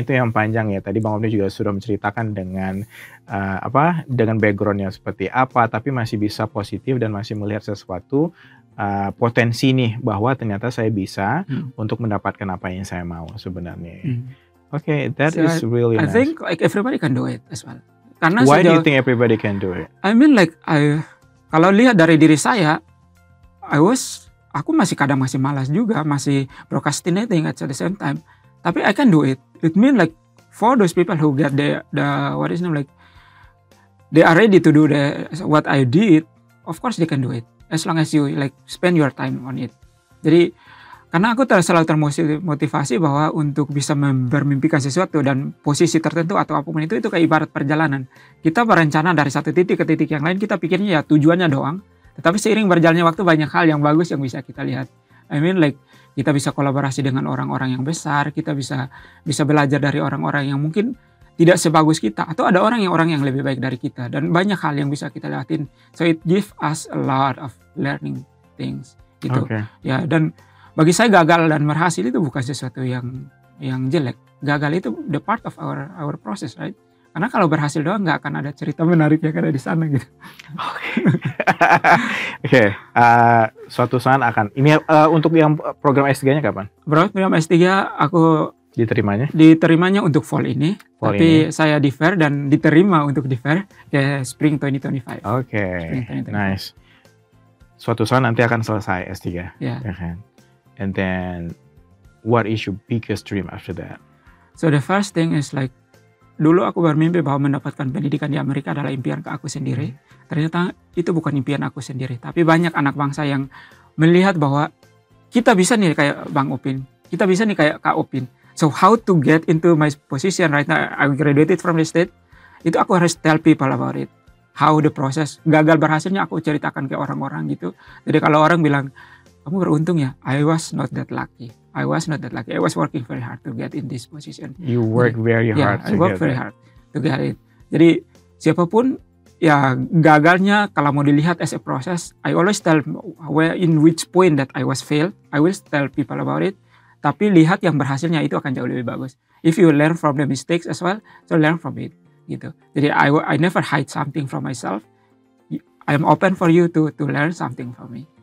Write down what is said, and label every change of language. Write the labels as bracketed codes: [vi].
[id] itu yang panjang ya. Tadi Bang Hovni juga sudah menceritakan dengan backgroundnya seperti apa, tapi masih bisa positif dan masih melihat sesuatu. Potensi nih bahwa ternyata saya bisa untuk mendapatkan apa yang saya mau sebenarnya. [en] Okay, that so is really I nice. I think like everybody can do it as well. [id] Karena [en] why [id] sudah, [en] do you think everybody can do it? I mean like [id] kalau lihat dari diri saya, aku masih kadang masih malas juga, masih [en] procrastinating at the same time. [id] Tapi [en] I can do it. It mean like for those people who get they are ready to do what I did, of course they can do it. As long as you like spend your time on it. [id] Jadi karena aku selalu termotivasi bahwa untuk bisa bermimpikan sesuatu dan posisi tertentu atau apapun itu kayak ibarat perjalanan. Kita berencana dari satu titik ke titik yang lain, kita pikirnya ya tujuannya doang. Tetapi seiring berjalannya waktu banyak hal yang bagus yang bisa kita lihat. [en] I mean like [id] kita bisa kolaborasi dengan orang-orang yang besar, kita bisa belajar dari orang-orang yang mungkin tidak sebagus kita, atau ada orang yang lebih baik dari kita, dan banyak hal yang bisa kita lewatin. [en] So it give us a lot of learning things [id] gitu. [en] Okay. [id] Ya, dan bagi saya gagal dan berhasil itu bukan sesuatu yang jelek. Gagal itu [en] the part of our process, right? [id] Karena kalau berhasil doang nggak akan ada cerita menarik yang ada di sana gitu. Oke. Suatu saat akan ini untuk yang program S3-nya kapan? Program S3 aku diterimanya? Diterimanya untuk fall ini. Fall tapi ini. Saya defer dan diterima untuk defer ke spring 2025. Oke. [en] Okay. Nice. [id] Suatu saat nanti akan selesai S3. Ya. [en] Yeah. Okay. And then what is your biggest dream after that? So the first thing is like [id] dulu aku bermimpi bahwa mendapatkan pendidikan di Amerika adalah impian aku sendiri. Ternyata itu bukan impian aku sendiri, tapi banyak anak bangsa yang melihat bahwa kita bisa nih kayak Bang Upin. Kita bisa nih kayak Kak Upin. [en] So how to get into my position right now, I graduated from the state, [id] itu aku harus [en] tell people about it. How the process, [id] gagal berhasilnya aku ceritakan ke orang-orang gitu. Jadi kalau orang bilang, kamu beruntung ya, [en] I was not that lucky. I was working very hard to get in this position. You work very hard to get it. Yeah, I work very hard to get it. [id] Jadi siapapun, ya gagalnya kalau mau dilihat [en] as a process, I always tell where in which point that I was failed, I will tell people about it. [id] Tapi lihat yang berhasilnya itu akan jauh lebih bagus. [en] If you learn from the mistakes as well, so learn from it, [id] gitu. Jadi [en] I never hide something from myself. I am open for you to learn something from me.